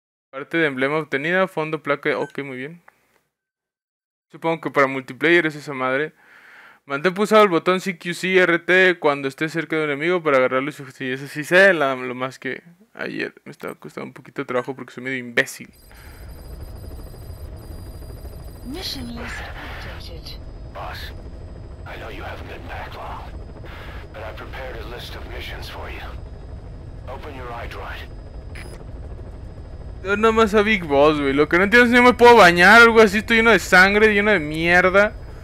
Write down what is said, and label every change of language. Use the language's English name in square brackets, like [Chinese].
[Spanish] Parte de emblema obtenida, fondo, placa. Ok, muy bien. Supongo que para multiplayer es esa madre. Mantén pulsado el botón CQC RT cuando esté cerca de un enemigo para agarrarlo y sí, eso sí sé, lo más que ayer me estaba costando un poquito de trabajo porque soy medio imbécil. [English] Mission list updated. Boss, I know you have a good backlog, but I prepared a list of missions for you. Open your iDroid. [Spanish] Yo nada más a Big Boss, güey. Lo que no entiendo es si no me puedo bañar o algo así, estoy lleno de sangre, lleno de mierda.